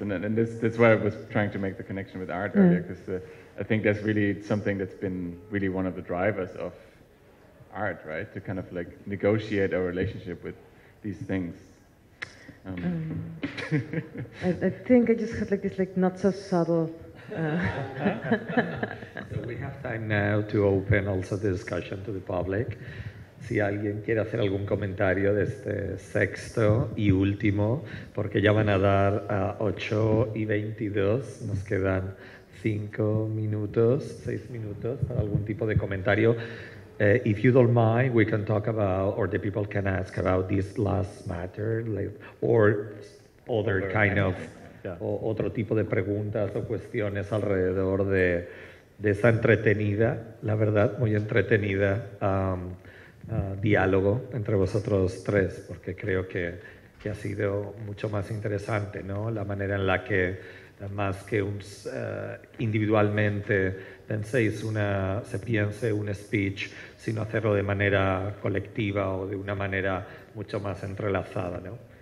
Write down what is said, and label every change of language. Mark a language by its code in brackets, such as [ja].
[en] And that's why I was trying to make the connection with art earlier, because I think that's really something that's been really one of the drivers of art, right? To kind of like negotiate our relationship with these things. I think I just had like this like not so subtle. So we have time now to open also the discussion to the public. [es] Si alguien quiere hacer algún comentario de este sexto y último, porque ya van a dar a 8:22, nos quedan 6 minutos para algún tipo de comentario. [en] If you don't mind, we can talk about, or the people can ask about this last matter, like, or other kind of. Yeah. [es] O otro tipo de preguntas o cuestiones alrededor de esa entretenida, la verdad, muy entretenida diálogo entre vosotros tres, porque creo que ha sido mucho más interesante, ¿no? La manera en la que, más que individualmente penséis se piense un speech, sino hacerlo de manera colectiva o de una manera mucho más entrelazada, ¿no?